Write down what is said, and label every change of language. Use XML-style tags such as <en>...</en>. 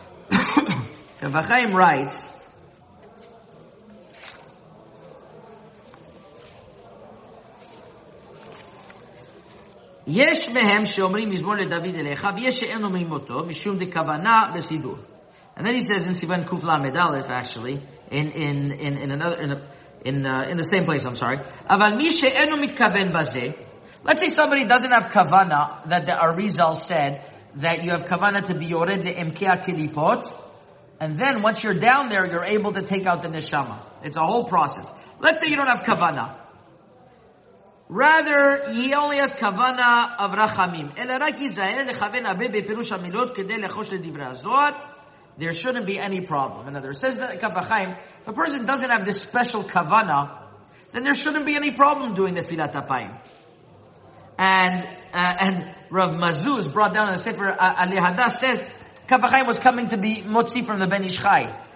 <en>Kaf HaChaim writes,</en> <he>יש מהם שאומרים מזמור לדוד אליך, ויש שאין אומרים אותו, משום דכוונה בסידור.</he> <en>And then he says in Sivan Kufla Medalef, actually, in the same place, I'm sorry.</en> <he>אבל מי שאינו מתכוון בזה,</he> <en>let's say somebody doesn't have kavana, that the Arizal said, that you have kavana to be yored ve'emke ha'kilipot, and then once you're down there, you're able to take out the neshama. It's a whole process. Let's say you don't have kavana. Rather, he only has kavana of rachamim.</en> <he>אלא רק יזהר לכוון הרבה בפירוש המילות כדי לחוש לדברי הזוהר.</he> <en>There shouldn't be any problem. Another says that Kaf HaChaim, if a person doesn't have this special kavana, then there shouldn't be any problem doing the filat apayim. And Rav Mazuz brought down in the Sefer Aleh Hadas says Kaf HaChaim was coming to be motzi from the Ben Ish Chai.</en>